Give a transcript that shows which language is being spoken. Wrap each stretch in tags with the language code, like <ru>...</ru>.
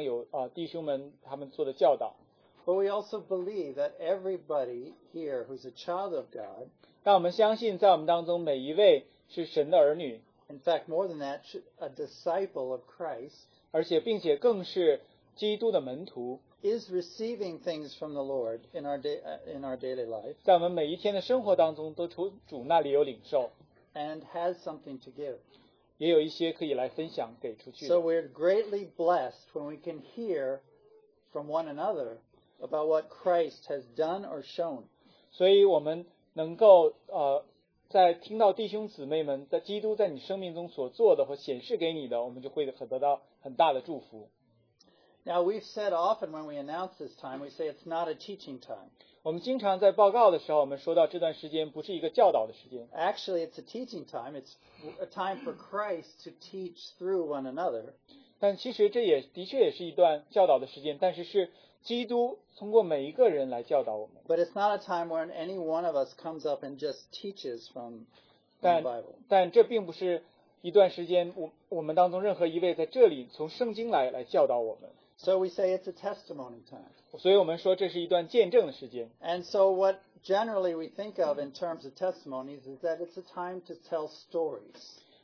<zh>在第二堂我们也通常有弟兄们他们做的教导。</zh> <en>But we also believe that everybody here who's a child of God,</en> <zh>让我们相信在我们当中每一位是神的儿女。</zh> <en>In fact, more than that, a disciple of Christ,</en> <zh>而且并且更是基督的门徒,</zh> <en>is receiving things from the Lord in our daily life,</en> <zh>在我们每一天的生活当中都从主那里有领受,</zh> <en>and has something to give.</en> <zh>也有一些可以来分享给出去。</zh> <en>So we're greatly blessed when we can hear from one another about what Christ has done or shown.</en> <zh>所以我们能够, 在听到弟兄姊妹们在基督在你生命中所做的或显示给你的, 我们就会得到很大的祝福。</zh> <en>Now we've said often when we announce this time, we say it's not a teaching time.</en> <zh>我们经常在报告的时候, 我们说到这段时间不是一个教导的时间。</zh> <en>Actually, it's a teaching time. It's a time for Christ to teach through one another.</en> <zh>但其实这也的确也是一段教导的时间, 但是是基督通过每一个人来教导我们。</zh> <en>But it's not a time when any one of us comes up and just teaches from the Bible.</en> <zh>但这并不是一段时间我们当中任何一位在这里从圣经来教导我们。</zh> <en>So we say it's a testimony time.</en> <zh>所以我们说这是一段见证的时间。</zh> <en>And so what generally we think of in terms of testimonies is that it's a time to tell stories.</en>